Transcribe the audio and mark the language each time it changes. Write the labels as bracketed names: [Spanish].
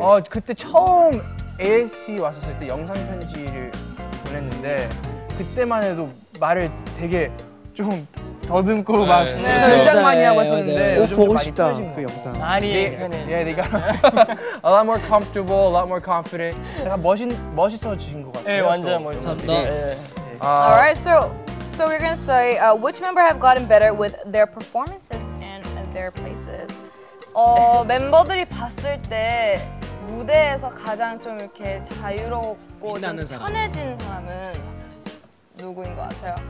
[Korean] 어 그때 처음 ASC 왔었을 때 영상 편지를 보냈는데 그때만 해도 말을 되게 좀 더듬고 네, 막 시작 많이 하고 했었는데 오 보고 싶다 그 영상 많이 예 네가 [English] a lot more comfortable, a lot more confident. [Korean] 약간 멋있어진 것 같아요. 예 완전 멋있었다. [English] Alright, so we're gonna say which member have gotten better with their performances and their places. [Korean] 어 멤버들이 봤을 때 무대에서 가장 좀 이렇게 자유롭고 좀 편해진 사람은 누구인 것 같아요?